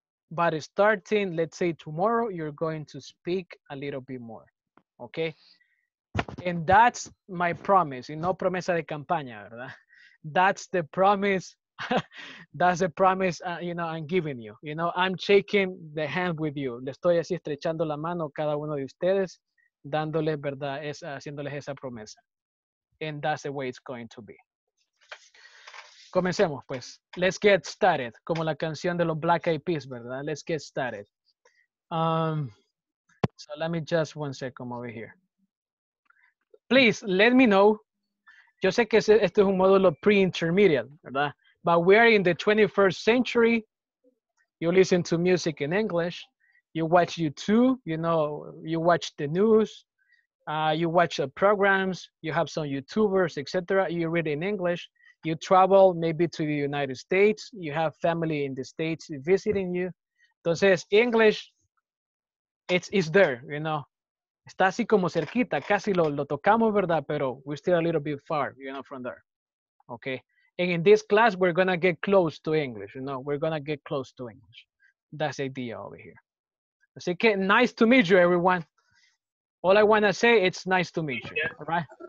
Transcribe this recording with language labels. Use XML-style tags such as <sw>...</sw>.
<en>But starting, let's say tomorrow, you're going to speak a little bit more, okay? And that's my promise.</en> <es>Y no promesa de campaña, ¿verdad?</es> <en>That's the promise. That's the promise, you know, I'm giving you. You know, I'm shaking the hand with you.</en> <es>Le estoy así estrechando la mano a cada uno de ustedes, dándoles, ¿verdad? Esa, haciéndoles esa promesa.</es> <en>And that's the way it's going to be.</en> <es>Comencemos, pues.</es> <en>Let's get started.</en> <es>Como la canción de los Black Eyed Peas, ¿verdad?</es> <en>Let's get started. So let me just one second over here. Please, let me know.</en> <es>Yo sé que este es un módulo pre-intermediate, ¿verdad?</es> <en>But we are in the 21st century. You listen to music in English. You watch YouTube. You know, you watch the news. You watch the programs. You have some YouTubers, etc. You read in English. You travel maybe to the United States. You have family in the States visiting you.</en> <es>Entonces,</es> <en>English, it's there, you know.</en> <es>Está así como cerquita, casi lo tocamos, ¿verdad?</es> <en>Pero we're still a little bit far, you know, from there. Okay. And in this class, we're going to get close to English, you know. We're going to get close to English. That's the idea over here.</en> <es>Así que,</es> <en>nice to meet you, everyone. All I want to say, it's nice to meet you, all right?</en>